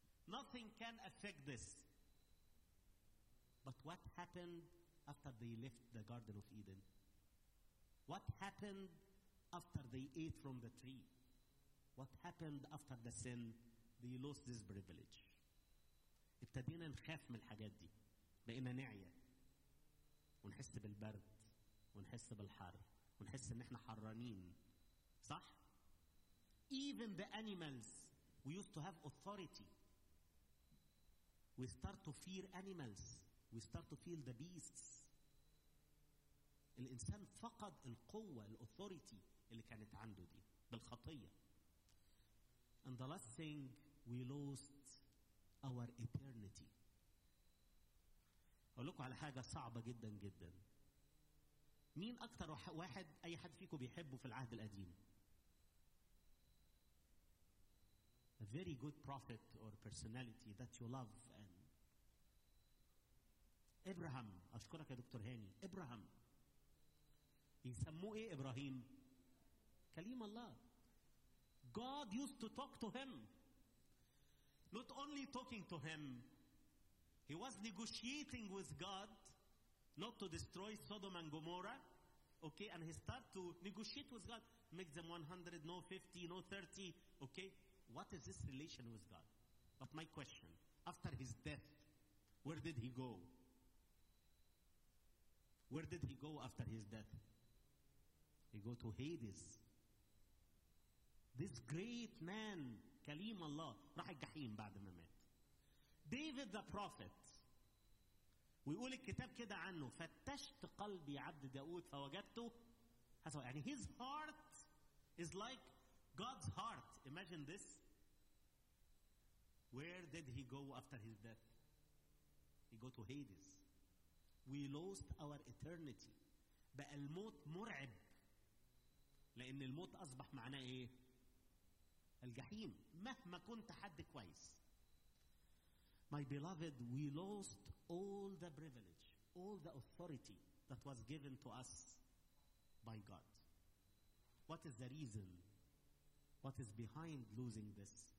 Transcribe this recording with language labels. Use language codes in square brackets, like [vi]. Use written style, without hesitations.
[en] Nothing can affect this. But what happened after they left the Garden of Eden? What happened after they ate from the tree? What happened after the sin? They lost this privilege. [ar] ابتدينا نخاف من الحاجات دي. بقينا نعيا. ونحس بالبرد. ونحس بالحر. ونحس ان احنا حرانين. صح؟ [en] Even the animals, we used to have authority. We start to fear animals. We start to feel the beasts. [ar] الانسان فقد القوة, الاثوريتي اللي كانت عنده دي بالخطية. [en] And the last thing, we lost our eternity. [ar] أقول لكم على حاجة صعبة جدا جدا. مين أكتر واحد أي حد فيكم بيحبه في العهد القديم؟ [en] A very good prophet or personality that you love. [ar] And Abraham. أشكرك يا دكتور هاني. Abraham. يسموه إيه إبراهيم؟ كليم الله. [en] God used to talk to him. Not only talking to him, he was negotiating with God not to destroy Sodom and Gomorrah. Okay, and he started to negotiate with God. Make them 100, no 50, no 30. Okay, what is this relation with God? But my question, after his death, where did he go? Where did he go after his death? He go to Hades. This great man, Kalim Allah, [ar] راح الجحيم بعد ما مات. [en] David the prophet, [ar] ويقول الكتاب كده عنه, فتشت قلبي عبد داود فوجدته. [en] يعني his heart is like God's heart. Imagine this. Where did he go after his death? He go to Hades. We lost our eternity. [ar] بقى الموت مرعب. لأن الموت أصبح معناه إيه؟ الجحيم. مهما كنت حد كويس. [en] My beloved, we lost all the privilege, all the authority that was given to us by God. What is the reason? What is behind losing this?